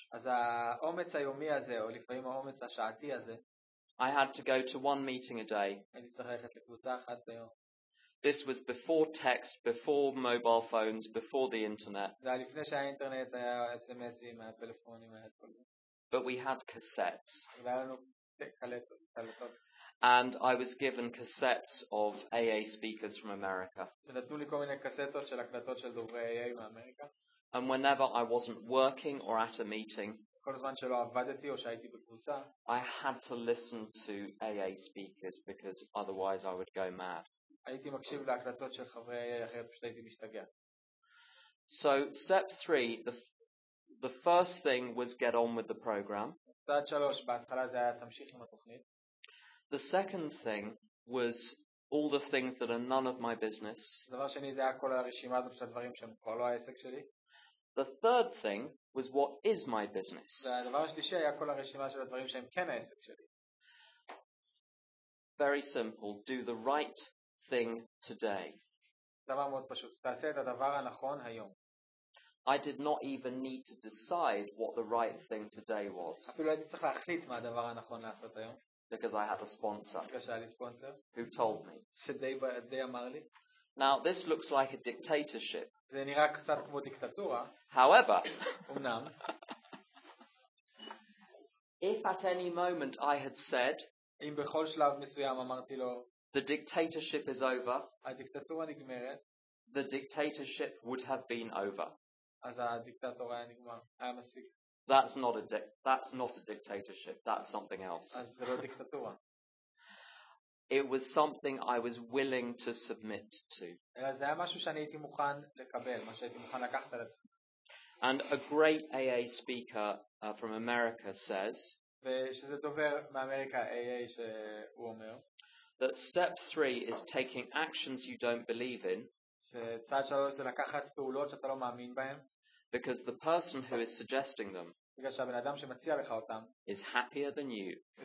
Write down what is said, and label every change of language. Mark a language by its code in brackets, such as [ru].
[he] אז האומץ היומי הזה, או לפעמים האומץ השעתי הזה, [en] I had to go to one meeting a day. [he] אני צריך ללכת לקבוצה אחת ביום. [en] This was before text, before mobile phones, before the internet. [he] זה היה לפני שהאינטרנט היה אס-אמסים, היה טלפונים, היה כל זה. [en] But we had cassettes. [he] והיה לנו קלטות. [en] And I was given cassettes of AA speakers from America. [he] נתנו לי כל מיני קסטות של הקלטות של דוברי AA מאמריקה. [en] And whenever I wasn't working or at a meeting, [he] כל הזמן שלא עבדתי או שהייתי בקבוצה, [en] I had to listen to AA speakers because otherwise I would go mad. [he] הייתי מקשיב להקלטות של חברי AA אחרת פשוט הייתי משתגע. [en] So step 3, the first thing was get on with the program. [he] צעד 3, בהתחלה זה היה תמשיך עם התוכנית. [en] The second thing was all the things that are none of my business. [he] הדבר השני זה היה כל הרשימה הזאת של הדברים שהם כבר לא העסק שלי. [en] The third thing was what is my business. [he] הדבר השלישי היה כל הרשימה של הדברים שהם כן העסק שלי. [en] Very simple, do the right thing today. [he] דבר מאוד פשוט, תעשה את הדבר הנכון היום. [en] I did not even need to decide what the right thing today was. [he] אפילו הייתי צריך להחליט מה הדבר הנכון לעשות היום. [en] Because I had a sponsor. Because I had a sponsor. Who told me? They told me. Now this looks like a dictatorship. [he] זה נראה קצת כמו דיקטטורה. [en] However, [he] אמנם, [en] if at any moment I had said, [he] אם בכל שלב מסוים אמרתי לו, [en] the dictatorship is over, [he] הדיקטטורה נגמרת, [en] the dictatorship would have been over. [he] אז הדיקטטורה היה נגמר, היה מספיק. [en] That's not a dictatorship, that's something else. [he] אז זה לא דיקטטורה. [en] It was something I was willing to submit to. [he] זה היה משהו שאני הייתי מוכן לקבל, מה שהייתי מוכן לקחת על עצמי. [en] And a great AA speaker from America says, [he] ושזה דובר מאמריקה AA שהוא אומר, [en] that step 3 is taking actions you don't believe in. [he] שצעד 3 זה לקחת פעולות שאתה לא מאמין בהן. [en] Because the person who is suggesting them is happier than you.